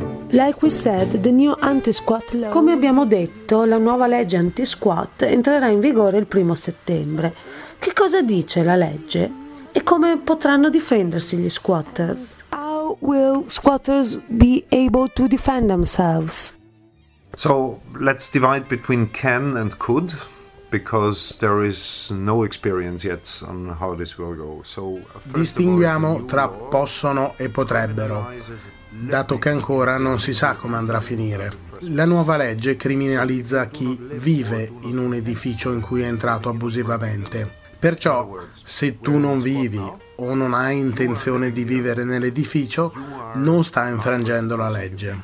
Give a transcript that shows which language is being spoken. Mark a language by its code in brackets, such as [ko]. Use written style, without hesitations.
[en] Like we said, the new anti-squat law. [it] Come abbiamo detto, la nuova legge anti-squat entrerà in vigore il 1 settembre. Che cosa dice la legge? E come potranno difendersi gli squatters? [en] How will squatters be able to defend themselves? So, let's divide between can and could, because there is no experience yet on how this will go. So, [it] distinguiamo tra possono e potrebbero, dato che ancora non si sa come andrà a finire. La nuova legge criminalizza chi vive in un edificio in cui è entrato abusivamente. Perciò, se tu non vivi o non hai intenzione di vivere nell'edificio, non sta infrangendo la legge.